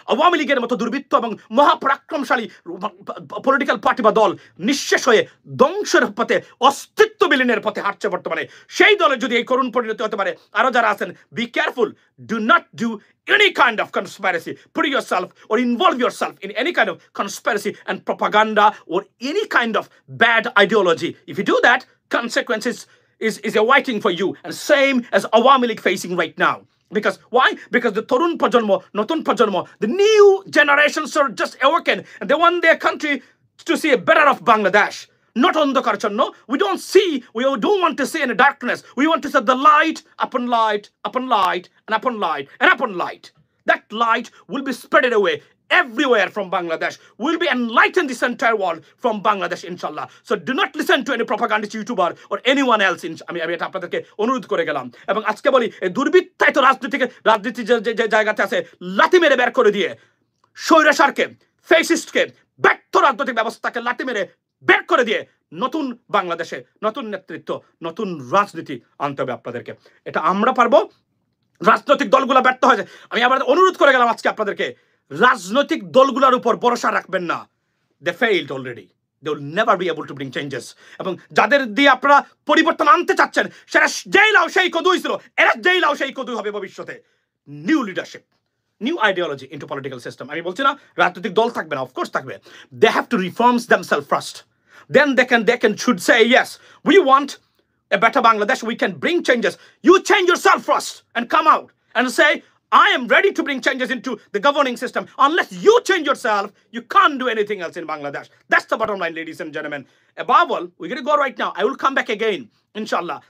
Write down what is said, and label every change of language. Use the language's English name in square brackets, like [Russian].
[Bangla] আওয়ামী লীগের মতো দুর্বৃত্ত এবং মহাপরাক্রমশালী পলিটিক্যাল পার্টি বা দল নিঃশেষ হয়ে ধ্বংসের পথে, অস্তিত্ব বিলীনের পথে হাঁটছে বর্তমানে, সেই দলে যদি এই করুণ পরিণতি হতে পারে, আরও যারা আছেন, [English] Be careful, do not do any kind of conspiracy, put your self or involve your self in any kind of conspiracy and propaganda or any kind of bad ideology. If you do that, consequences is awaiting for you, and same as Awami League facing right now. Because why? Because the [Bangla] Torun Pajanmo, Notun Pajanmo, [English] the new generations are just awakened, and they want their country to see a better of Bangladesh. Not on the Karchan, no. We don't want to see any darkness. We want to set the light upon light, upon light, and upon light, and upon light. That light will be spread away everywhere from Bangladesh. We'll be enlightened this entire world from Bangladesh, inshallah. So do not listen to any propagandist YouTuber or anyone else. I mean, [Bangla] এটা আপনাদেরকে অনুরোধ করে গেলাম, এবং আজকে বলি, এই দুর্বৃত্তায়িত রাজনীতি যে জায়গাতে আছে, লাঠি মেরে বের করে দিয়ে, স্বৈরাচারকে, ফ্যাসিস্টকে, ব্যর্থ রাজনৈতিক ব্যবস্থাকে লাঠি মেরে বের করে দিয়ে নতুন বাংলাদেশে নতুন নেতৃত্ব, নতুন রাজনীতি আনতে হবে আপনাদেরকে। এটা আমরা পারবো, রাজনৈতিক দলগুলো ব্যর্থ হয়েছে। আমি আবার অনুরোধ করে গেলাম আজকে আপনাদেরকে, রাজনৈতিক দলগুলোর উপর ভরসা রাখবেন না, [English] They failed already, they will never be able to bring changes. [Bangla] এবং যাদের দিয়ে আপনারা পরিবর্তন আনতে চাচ্ছেন, সেটা যেই লাও সেই কদুই ছিল, এরা যেই লাও সেই কদুই হবে ভবিষ্যতে। [English] New leadership, new ideology into political system. [Bangla] আমি বলছি না রাজনৈতিক দল থাকবে না, [English] Of course থাকবে, they have to reforms themselves first, then they can should say yes, we want a better Bangladesh, we can bring changes. You change your self first and come out and say I am ready to bring changes into the governing system. Unless you change yourself, you can't do anything else in Bangladesh. That's the bottom line, ladies and gentlemen. Above all, we're going to go right now. I will come back again, inshallah.